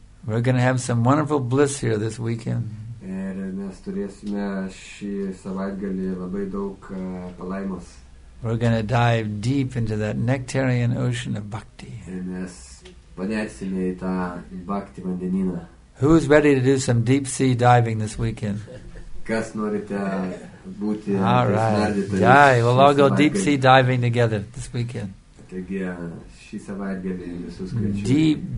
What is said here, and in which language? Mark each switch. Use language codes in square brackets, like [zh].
[en] We're going to have some wonderful bliss here this weekend. [lt] Ir mes turėsime šį savaitgalį labai daug palaimos. [en] We're going to dive deep into that nectarian ocean of bhakti. [lt] Ir mes panersime į tą bhakti vandenyną. [en] Who is ready to do some deep sea diving this weekend? [lt] Kas norite būti? [en] All right. Jai, we'll all go deep sea diving together this weekend. [lt] Taigi, šį savaitgalį visus kviečiu.